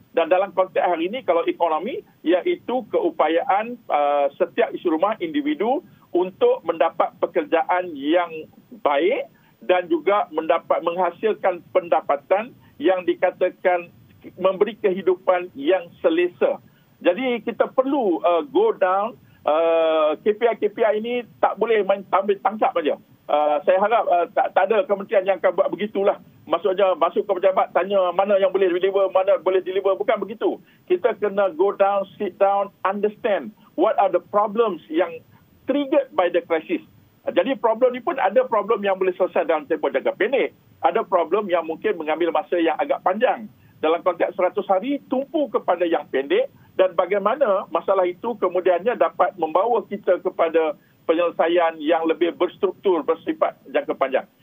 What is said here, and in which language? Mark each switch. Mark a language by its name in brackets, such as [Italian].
[Malay] Dan dalam konteks hari ini, kalau ekonomi, iaitu keupayaan setiap isi rumah individu untuk mendapat pekerjaan yang baik dan juga mendapat menghasilkan pendapatan yang dikatakan memberi kehidupan yang selesa. Jadi kita perlu [English] go down [Malay] KPI-KPI ini, tak boleh main tambah tangkap saja. Saya harap tak ada kementerian yang akan buat begitulah. Maksudnya masuk ke pejabat, tanya mana yang boleh deliver, mana boleh deliver. Bukan begitu. Kita kena [English] go down, sit down, understand what are the problems yang triggered by the crisis. [Malay] Jadi problem ni pun ada problem yang boleh selesai dalam tempoh jangka pendek. Ada problem yang mungkin mengambil masa yang agak panjang. Dalam konteks 100 hari, tumpu kepada yang pendek dan bagaimana masalah itu kemudiannya dapat membawa kita kepada penyelesaian yang lebih berstruktur, bersifat jangka panjang.